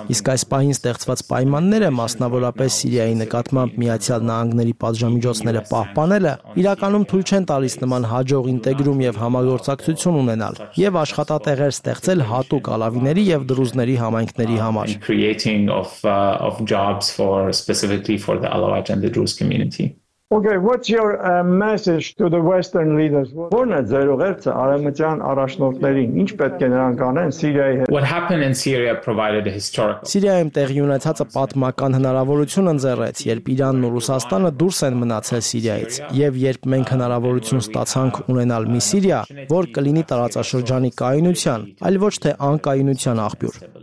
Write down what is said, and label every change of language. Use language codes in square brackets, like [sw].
[hy] Իսկ այս պահին ստեղծված պայմանները, մասնավորապես Սիրիայի նկատմամբ միացյալ նահանգների պատժամիջոցները պահպանելը, իրականում թույլ չեն տալիս նման հաջող ինտեգրում եւ համագործակցություն ունենալ եւ աշխատատեղեր ստեղծել հատուկ ալավիների եւ դրուզների համայնքների համար։ [en] Creating of jobs for specifically for the Alawite and the Druze community. Okay, what's your message to the Western leaders? [hy] Որն է ձեր ուղերձը արևմտյան առաջնորդներին, ինչ պետք է նրանք անեն Սիրիայի հետ? [en] What happened in Syria provided a historical. [hy] Սիրիայում տեղի ունեցածը պատմական հնարավորություն ընձեռեց, երբ Իրանն ու Ռուսաստանը դուրս են մնացել Սիրիայից, եւ երբ մենք հնարավորություն ստացանք ունենալ մի Սիրիա, որ կլինի տարածաշրջանի կայունության, այլ ոչ թե անկայունության աղբյուր։